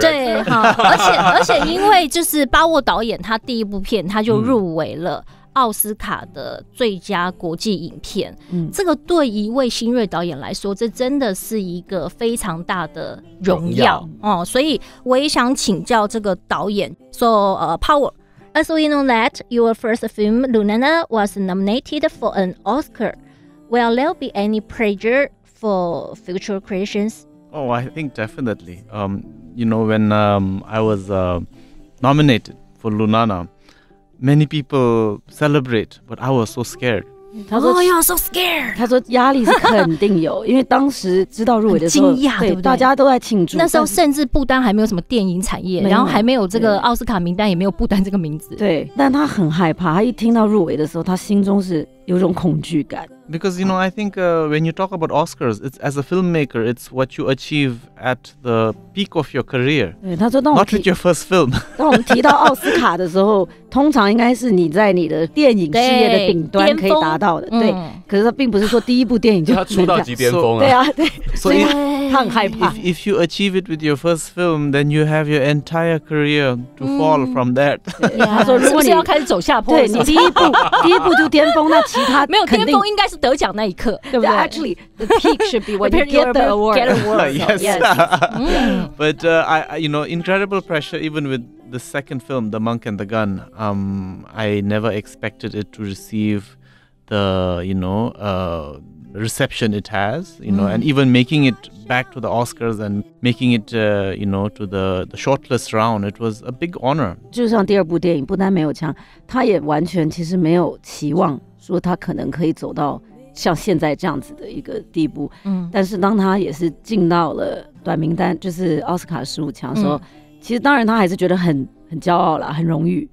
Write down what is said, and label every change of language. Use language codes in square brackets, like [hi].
[zh] 对，而且因为就是巴沃导演他第一部片他就入围了奥斯卡的最佳国际影片，这个对一位新锐导演来说，这真的是一个非常大的荣耀，所以我也想请教这个导演。 [en] So Power, as we know that your first film Lunana was nominated for an Oscar, will there be any pressure for future creations? Oh, I think definitely. You know, when I was nominated for Lunana,Many people celebrate, but I was so scared. [zh] 他说 [en] ：“Oh, you're so scared. [zh] 他说压力是肯定有，因为当时知道入围的时候，惊讶，对不对？大家都在庆祝。那时候甚至不丹还没有什么电影产业，然后还没有这个奥斯卡名单，也没有不丹这个名字。对，但他很害怕。他一听到入围的时候，他心中是有种恐惧感。 [en] Because you know, I think when you talk about Oscars, it's as a filmmaker, it's what you achieve at the peak of your career. [zh] 对，他说当我们 [en] not with your first film. [zh] 当我们提到奥斯卡的时候，通常应该是你在你的电影事业的顶端可以达到的。对，可是他并不是说第一部电影就他出道即巅峰啊。对啊，对，所以他很害怕。 [en] If you achieve it with your first film, then you have your entire career to fall from that. [zh] 他说如果你要开始走下坡，对你第一部就巅峰，那其他没有巅峰应该是得奖那一刻，对不对 [en] ？Actually, the peak should be when you get the award. Get award. Yes. But you know, incredible pressure even with. The second film, The Monk and the Gun, I never expected it to receive the, you know, reception it has, you know, and even making it back to the Oscars and making it, you know, to the shortlist round, it was a big honor. [zh] 就像第二部电影《不丹没有枪》，他也完全其实没有期望说他可能可以走到像现在这样子的一个地步。但是当他也是进到了短名单，就是奥斯卡15强的时候。其实当然他还是觉得很骄傲了，很荣誉，